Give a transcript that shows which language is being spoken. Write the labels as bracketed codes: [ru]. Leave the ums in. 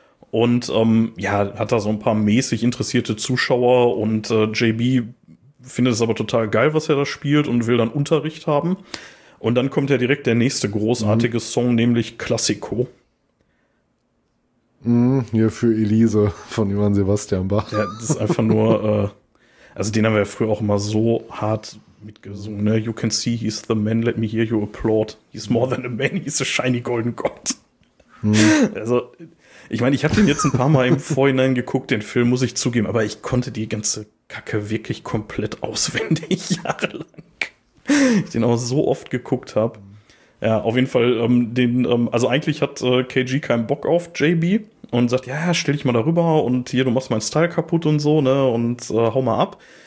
[de] Und ähm, ja, hat da so ein paar mäßig interessierte Zuschauer und äh, JB findet es aber total geil, was er da spielt und will dann Unterricht haben. Und dann kommt ja direkt der nächste großartige Song, nämlich Classico. Mhm, hier für Elise von Johann Sebastian Bach. Ja, das ist einfach nur, äh, also den haben wir ja früher auch immer so hart mitgesungen, ne? [en] You can see he's the man, let me hear you applaud. He's more than a man, he's a shiny golden god. [de] Also, ich meine, ich habe den jetzt ein paar Mal im Vorhinein geguckt, den Film, muss ich zugeben, aber ich konnte die ganze Kacke wirklich komplett auswendig, jahrelang. Ich den auch so oft geguckt habe. Ja, auf jeden Fall, ähm, den, ähm, also eigentlich hat äh, KG keinen Bock auf JB und sagt, ja, ja, stell dich mal darüber und hier, du machst meinen Style kaputt und so, ne, und äh, hau mal ab.